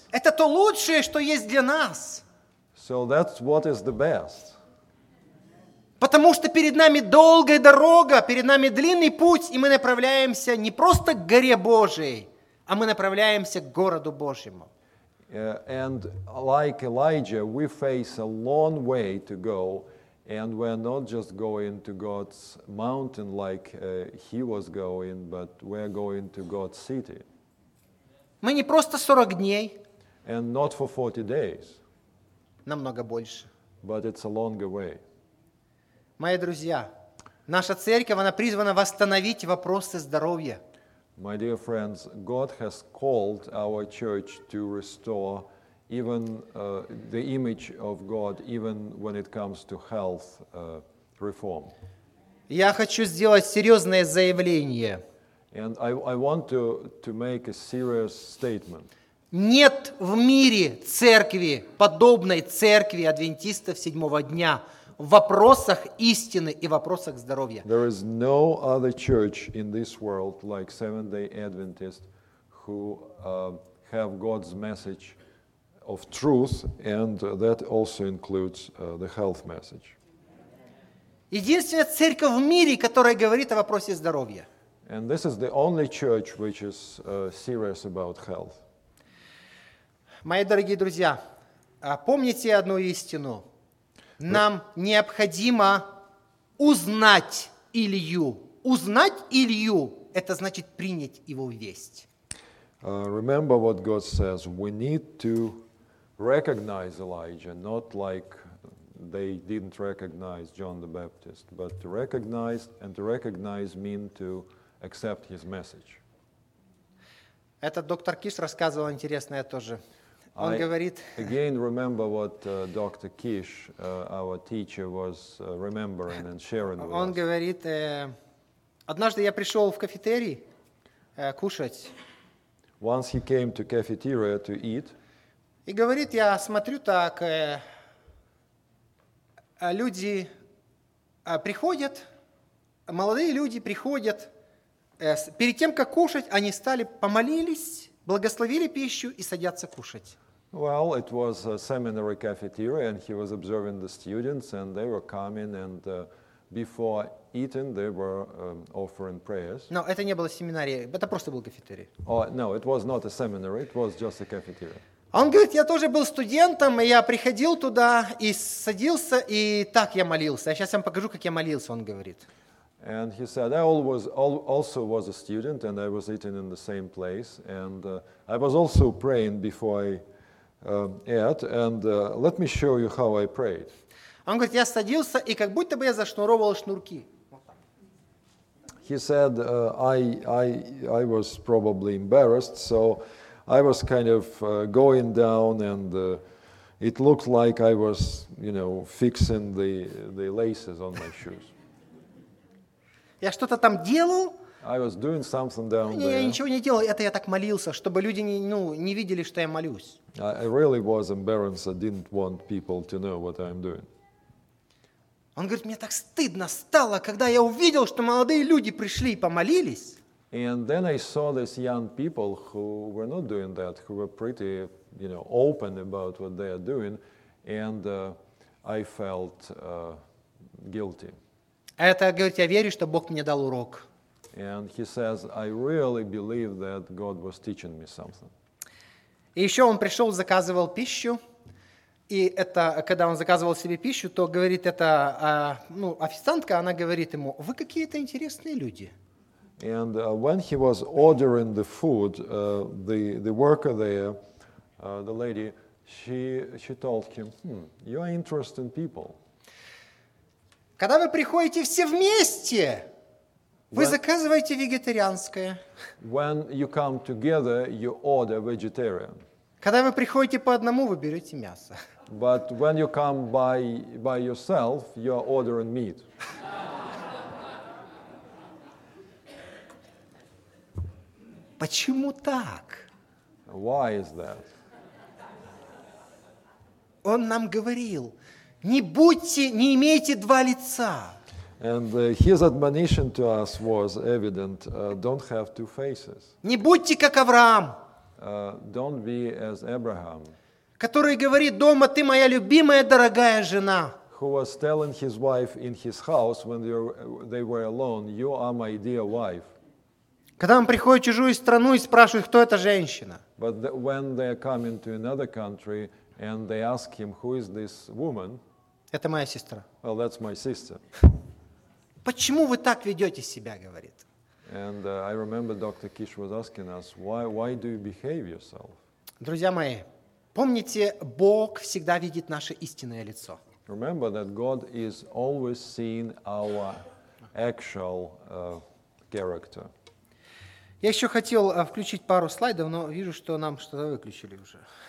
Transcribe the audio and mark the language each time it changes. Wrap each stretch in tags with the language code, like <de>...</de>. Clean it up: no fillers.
<ru>Это то лучшее, что есть для нас.</ru> <en>So that's what is the best.</en> <ru>Потому что перед нами долгая дорога, перед нами длинный путь, и мы направляемся не просто к горе Божией, а мы направляемся к городу Божьему.</ru> <en>And like Elijah, we face a long way to go, and we're not just going to God's mountain like he was going, but we're going to God's city.</en> <ru>Мы не просто 40 дней.</ru> <en>And not for 40 days.</en> <ru>Намного больше.</ru> <en>But it's a longer way.</en> <ru>Мои друзья, наша церковь, она призвана восстановить вопросы здоровья.</ru> <en>My dear friends, God has called our church to restore even the image of God, even when it comes to health reform.</en> <ru>Я хочу сделать серьезное заявление.</ru> <en>And I want to make a serious statement.</en> <ru>Нет в мире церкви, подобной церкви адвентистов седьмого дня, в вопросах истины и вопросах здоровья.</ru> <en>There is no other church in this world like Seventh-day Adventist who have God's message of truth, and that also includes the health message.</en> <ru>Единственная церковь в мире, которая говорит о вопросе здоровья.</ru> <en>And this is the only church which is serious about health.</en> <ru>Мои дорогие друзья, помните одну истину. Нам необходимо узнать Илью. Узнать Илью – это значит принять его весть.</ru> <en>Remember what God says. We need to recognize Elijah, not like they didn't recognize John the Baptist, but to recognize, and to recognize mean to accept his message.</en> <ru>Это доктор Киш рассказывал интересное тоже. Он говорит,</ru> <en>again, remember what Dr. Kish, our teacher, was remembering and sharing with us.</en> <ru>Он говорит, однажды я пришел в кафетерий кушать.</ru> <en>Once he came to cafeteria to eat.</en> <ru>И говорит, я смотрю так, люди приходят, молодые люди приходят, перед тем, как кушать, они стали, помолились, благословили пищу и садятся кушать.</ru> <en>Well, it was a seminary cafeteria, and he was observing the students, and they were coming, and before eating, they were offering prayers. No,</en> <ru>это не было семинария, это просто был кафетерий.</ru> <en>Oh, no, it was not a seminary, it was just a cafeteria.</en> <ru>Он говорит, я тоже был студентом, и я приходил туда и садился, и так я молился. Я сейчас вам покажу, как я молился, он говорит.</ru> <en>And he said, I also was a student, and I was eating in the same place, and I was also praying before I... let me show you how I prayed.</en> <ru>Он говорит, я садился и как будто бы я зашнуровывал шнурки.</ru> <en>He said, I was probably embarrassed, so I was kind of going down, and it looked like I was, you know, fixing the laces on my shoes.</en> <ru>Я что-то там делал.</ru> <en>I was doing something down there.</en> <ru>Я ничего не делал, это я так молился, чтобы люди не видели, что я молюсь.</ru> <en>I really was embarrassed. I didn't want people to know what I'm doing.</en> <ru>Он говорит, мне так стыдно стало, когда я увидел, что молодые люди пришли и помолились.</ru> <en>And then I saw these young people who were not doing that, who were pretty, you know, open about what they are doing, and I felt guilty.</en> <ru>Это говорит, я верю, что Бог мне дал урок.</ru> <en>And he says, I really believe that God was teaching me something.</en> <ru>И еще он пришел, заказывал пищу, и это, когда он заказывал себе пищу, то говорит это, официантка, она говорит ему, вы какие-то интересные люди.</ru> <en>And when he was ordering the food, the worker there, the lady, she told him, you are interesting people.</en> <ru>Когда вы приходите все вместе, вы заказываете вегетарианское.</ru> <en>When you come together, you order vegetarian.</en> <ru>Когда вы приходите по одному, вы берете мясо.</ru> <en>But when you come by yourself, you are ordering meat.</en> <ru>Почему так?</ru> <en>Why is that?</en> <ru>Он нам говорил: не будьте, не имейте два лица.</ru> <en>And his admonition to us was evident: don't have two faces.</en> <ru>Не будьте как Авраам.</ru> <en>Don't be as Abraham.</en> <ru>Который говорит дома: ты моя любимая, дорогая жена.</ru> <en>Who was telling his wife in his house when they were alone: you are my dear wife.</en> <ru>Когда он приходит в чужую страну и спрашивает, кто эта женщина.</ru> <en>But when they are coming to another country and they ask him, who is this woman?</en> <ru>Это моя сестра.</ru> <en>Well, that's my sister.</en> <ru>Почему вы так ведете себя, говорит.</ru> <en>And I remember Dr. Kish was asking us, why do you behave yourself?</en> <ru>Друзья мои, помните, Бог всегда видит наше истинное лицо.</ru> <en>Remember that God is always seeing our actual character.</en> <ru>Я еще хотел включить пару слайдов, но вижу, что нам что-то выключили уже.</ru>